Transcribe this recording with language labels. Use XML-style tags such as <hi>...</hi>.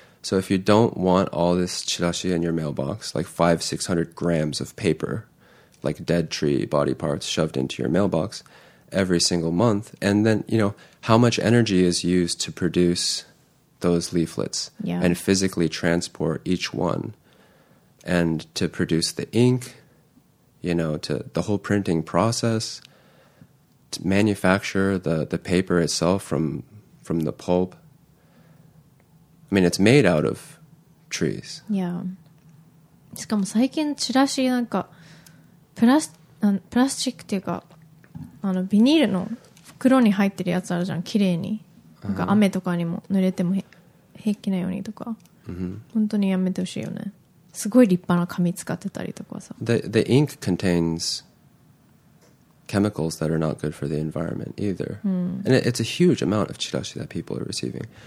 <en>So if you don't want all this chirashi in your mailbox, like 500-600 grams of paper, like dead tree body parts shoved into your mailbox every single month, and then, you know, how much energy is used to produce those leaflets and physically transport each one and to produce the ink, you know, to the whole printing process, to manufacture the paper itself from the pulp. I mean, it's made out of trees. Yeah.</en> <ja>しかも最近チラシなんかプラスチックっていうかあのビニールの袋に入ってるやつあるじゃん、綺麗に。なんか雨とかにも濡れても平気なようにとか、本当にやめてほしいよね。すごい立派な紙使ってたりとかさ。</ja> <en>The ink contains chemicals that are not good for the environment either. And it's a huge amount of chirashi that people are receiving.</en>